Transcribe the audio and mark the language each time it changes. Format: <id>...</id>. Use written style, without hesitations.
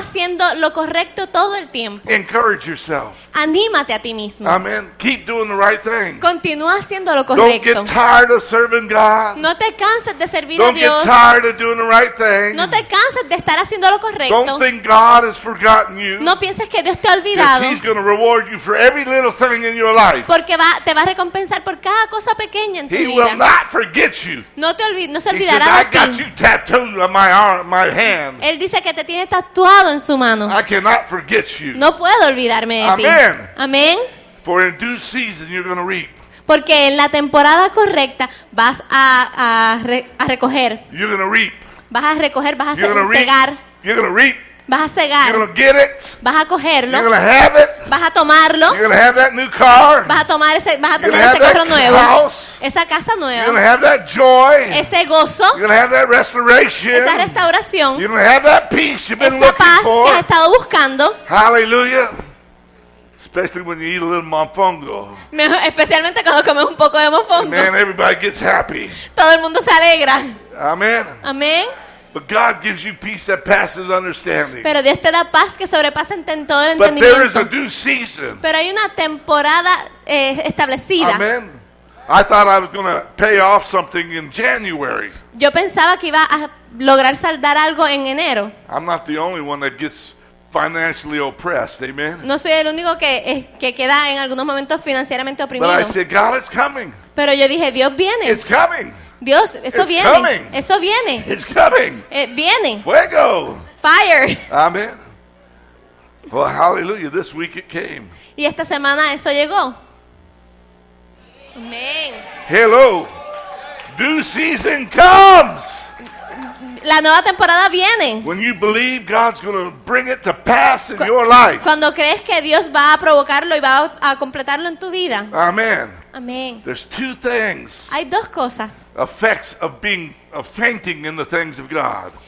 <es>Haciendo lo correcto todo el tiempo.</es> <en>Encourage yourself.</en> <es>Anímate a ti mismo.</es> <en>Amen. Keep doing the right thing.</en> <es>Continúa haciendo lo correcto.</es> <en>Don't get tired of serving God.</en> <es>No te canses de servir</es> <en>don't</en> <es>a Dios.</es> <en>Get tired of doing the right thing.</en> <es>No te canses de estar haciendo lo correcto.</es> <en>Don't think God has forgotten you.</en> <es>No pienses que Dios te ha olvidado.</es> <en>He's going to reward you for every little thing in your life.</en> <es>Porque te va a recompensar por cada cosa pequeña en tu</es> <en>he</en> <es>vida.</es> <en>He will not forget you.</en> <es>No se olvidará</es> <en>says,</en> <es>de ti.</es> <en>You tattooed on my arm, my hand.</en> <es>Él dice que te tiene tatuado en su mano.</es> <en>I cannot forget you.</en> <es>No puedo olvidarme de</es> <en>amen.</en> <es>Ti. Amén.</es> <en>For in due season you're going to reap.</en> <es>Porque en la temporada correcta vas a recoger.</es> <en>You're going to reap.</en> <es>Vas a recoger, vas</es> <en>you're</en> <es>a segar.</es> <en>You're going to reap.</en> <es>Vas a cegar.</es> <en>You're gonna get it.</en> <es>Vas a cogerlo.</es> <en>You're gonna have it.</en> <es>Vas a tomarlo.</es> <en>You're gonna have that new car.</en> <es>Vas a tomar ese, vas a tener ese carro nuevo.</es> <en>House.</en> <es>Esa casa nueva.</es> <en>You're gonna have that joy.</en> <es>Ese gozo.</es> <en>You're gonna have that restoration.</en> <es>Esa restauración.</es> <en>You're gonna have that peace you've been</en> <es>esa</es> <en>looking</en> <es>paz</es> <en>for.</en> <es>Que has estado buscando.</es> <en>Hallelujah. Especially when you eat a little mofongo.</en> <es>Especialmente cuando comes un poco de mofongo.</es> <en>Man, everybody gets happy.</en> <es>Todo el mundo se alegra.</es> <en>Amen.</en> <es>Amen.</es> <en>But God gives you peace that passes understanding.</en> <es>Pero Dios te da paz que sobrepasa todo el entendimiento.</es> <en>But there is a due season.</en> <es>Pero hay una temporada establecida.</es> <en>Amen. I thought I was going to pay off something in January.</en> <es>Yo pensaba que iba a lograr saldar algo en enero.</es> <en>I'm not the only one that gets financially oppressed, amen.</en> <es>No soy el único que queda en algunos momentos financieramente oprimido.</es> <en>But I said, God is coming.</en> <es>Pero yo dije, Dios viene.</es> <en>It's coming.</en> <es>Dios, eso</es> <en>it's</en> <es>viene.</es> <en>Coming.</en> <es>Eso viene.</es> <en>It's coming.</en> <es>Viene. Fuego.</es> <en>Fire. Amen. Well, hallelujah, this week it came.</en> <es>Y esta semana eso llegó. Amen.</es> <en>Hello. Due season comes.</en> <es>La nueva temporada viene.</es> <en>When you believe God's going to bring it to pass in your life.</en> <es>Cuando crees que Dios va a provocarlo y va a completarlo en tu vida.</es> <en>Amen.</en> <es>Amen.</es> <en>There's two things.</en> <es>Hay dos cosas.</es> <en>Effects of being of fainting in the things of God.</en>